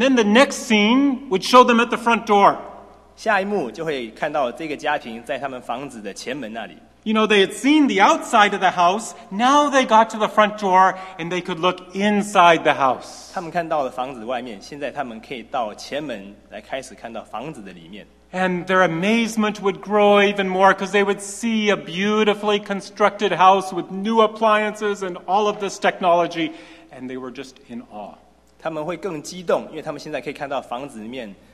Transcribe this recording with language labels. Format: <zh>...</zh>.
<en>then the next scene would show them at the front door.</en> <zh>下一幕就会看到这个家庭在他们房子的前门那里。</zh> <en>You know, they had seen the outside of the house. Now they got to the front door and they could look inside the house.</en> <zh>他们看到了房子外面，现在他们可以到前门来开始看到房子的里面。</zh> <en>And their amazement would grow even more because they would see a beautifully constructed house with new appliances and all of this technology, and they were just in awe.</en> <zh>他们会更激动，因为他们现在可以看到房子里面。</zh>